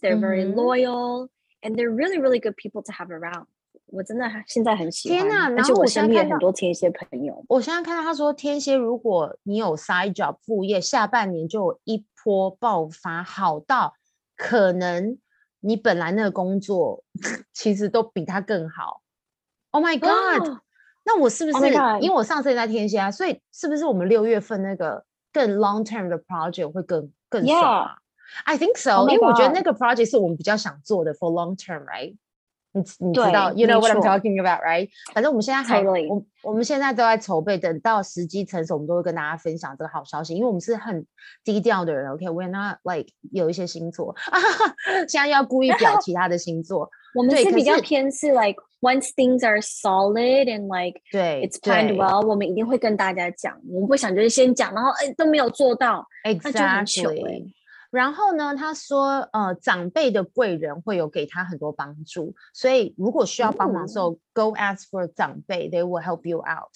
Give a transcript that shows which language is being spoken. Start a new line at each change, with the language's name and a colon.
English: They're very loyal, and they're really, really good people to have around.
Chinese: 我真的现在很喜欢。天哪！然后我身边有很多天蝎朋友。我现在看到他说，天蝎如果你有 side job 副业，下半年就有一波爆发，好到可能你本来那个工作其实都比他更好。
English: Oh my god!、 Oh!
Chinese: 那我是不是、 oh、因为我上升在天蝎啊，所以是不是我们六月份那个更 long term 的 project 会更爽、啊
English: yeah. ？I think so，、 oh、
Chinese: 因为我觉得那个 project 是我们比较想做的 for long term， right？你知道 ， you know what I'm talking about， right？反正我们现在还、
English: totally.
Chinese: 我们现在都在筹备，等到时机成熟，我们都会跟大家分享这个好消息。因为我们是很低调的人 ，OK？ We're not like 有一些星座，现在要故意表其他的星座。我们是比较偏是 like once things are solid and like it's planned well，我们一定会跟大家讲。我们不想就是先讲，然后、欸、都没有做到，
English: exactly.
Chinese: 那就很糗、欸。然后呢他说长辈的贵人会有给他很多帮助，所以如果需要帮忙的时候、Ooh.
English: go ask for 长辈 they will help you out.